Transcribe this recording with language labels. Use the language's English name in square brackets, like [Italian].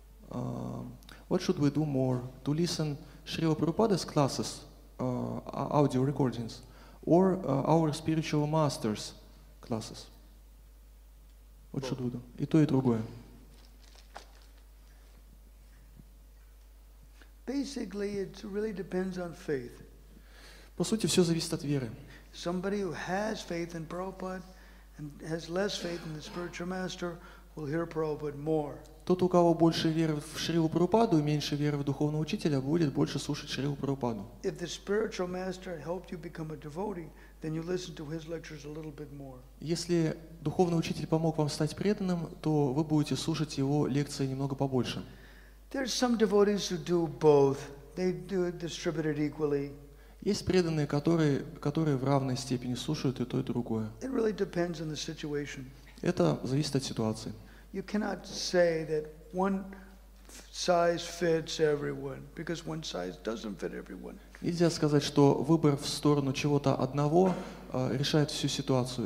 [English] What should we do more? To listen Шрила Прабхупада's classes, audio recordings, or our spiritual master's classes? What should we do? [Russian] И то, и другое. [English] Basically, it really depends on faith. [Russian] По сути, все зависит от веры. [English] Somebody who has faith in Prabhupada and has less faith in the spiritual master will hear Prabhupada more. [Russian] Тот, у кого больше веры в Шрилу Прабхупаду и меньше веры в духовного учителя, будет больше слушать Шрилу Прабхупаду. [English] If the spiritual master helped you become a devotee, then you listen to his lectures a little bit more. [Russian] Если духовный учитель помог вам стать преданным, то вы будете слушать его лекции немного побольше. [English] There's some devotees who do both. They do it distributed equally. [Russian] Есть преданные, которые в равной степени слушают и то, и другое. [English] It really depends on the situation. [Russian] Это зависит от ситуации. [English] You cannot say that one size fits everyone, because one size doesn't fit everyone. [Russian] Нельзя сказать, что выбор в сторону чего-то одного решает всю ситуацию.